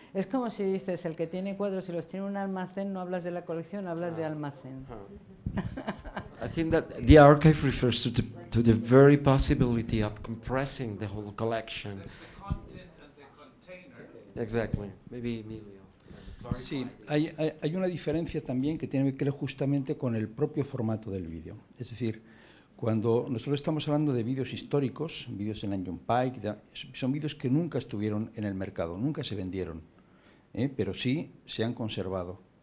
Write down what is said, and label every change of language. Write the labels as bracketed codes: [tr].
[es] Es como si dices, el que tiene cuadros y los tiene en un almacén, no hablas de la colección, hablas de almacén. [en] I think that the archive refers to the very possibility of compressing the whole collection. The content and the container. Exactly. Maybe Emilio. [es] Sí, hay una diferencia también que tiene que ver justamente con el propio formato del vídeo. Es decir, cuando nosotros estamos hablando de vídeos históricos, vídeos en Collection Pi, son vídeos que nunca estuvieron en el mercado, nunca se vendieron, pero sí se han conservado.